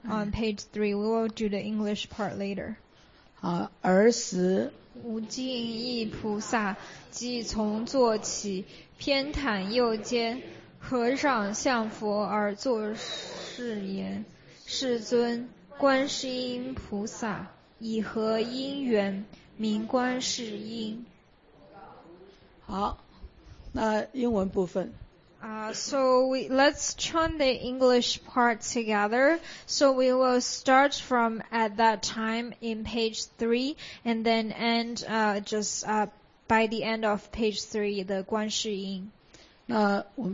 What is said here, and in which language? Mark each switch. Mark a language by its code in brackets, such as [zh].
[en] On page 3, we will do the English part later. [zh] 儿时，无尽意菩萨即从坐起，偏袒右肩，和尚向佛而作誓言：世尊，观世音菩萨以何因缘名观世音？好，那英文部分。 [en] So we, let's chant the English part together. So we will start from at that time in page 3 and then end by the end of page 3, the Guan Shiying.